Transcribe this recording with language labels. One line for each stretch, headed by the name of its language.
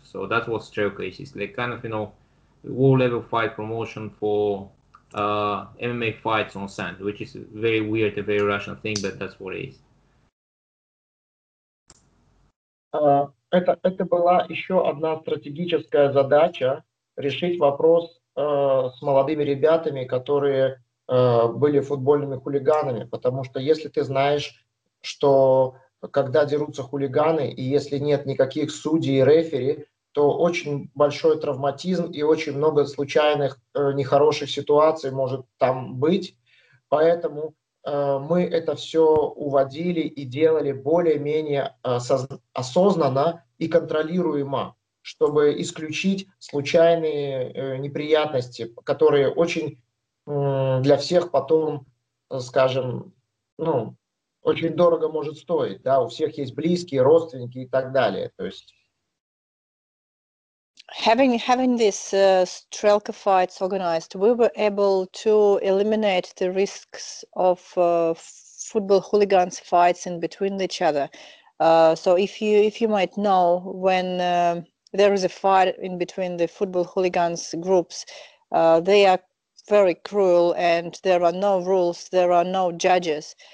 English: So that's what Strelka is. It's like kind of, you know, world level fight promotion for MMA fights on sand, which is very weird, a very Russian thing, but that's what it is.
Russian: Это была еще одна стратегическая задача решить вопрос с молодыми ребятами, которые были футбольными хулиганами, потому что если ты знаешь, что когда дерутся хулиганы, и если нет никаких судей и рефери, то очень большой травматизм и очень много случайных нехороших ситуаций может там быть. Поэтому мы это все уводили и делали более-менее осознанно и контролируемо, чтобы исключить случайные неприятности, которые очень для всех потом, скажем, ну, очень дорого может стоить. Да? У всех есть близкие, родственники и так далее. То есть
English: Having these Strelka fights organized, we were able to eliminate the risks of football hooligans fights in between each other. So if you might know when there is a fight in between the football hooligans groups, they are very cruel and there are no rules, there are no judges.